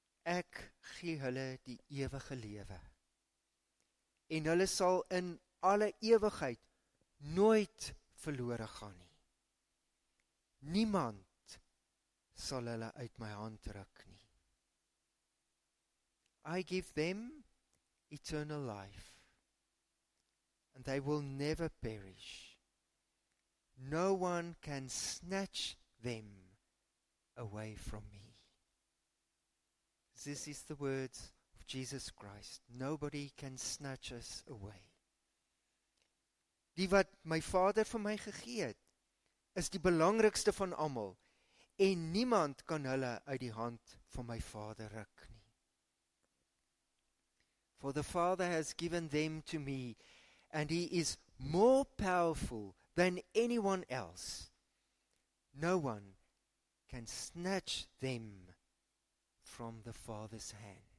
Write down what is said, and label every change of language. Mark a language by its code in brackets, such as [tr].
[af] Ek gee hulle die ewige lewe. En hulle sal in alle ewigheid nooit verlore gaan nie. Niemand sal hulle uit my hand ruk nie. [en] I give them eternal life, and they will never perish. No one can snatch them away from me. This is the words of Jesus Christ. Nobody can snatch us away. [af] Die wat my Vader vir my gegee het, is die belangrikste van allemaal, en niemand kan hulle uit die hand van my Vader ruk nie. [en] For the Father has given them to me, and he is more powerful than anyone else. No one can snatch them from the Father's hand.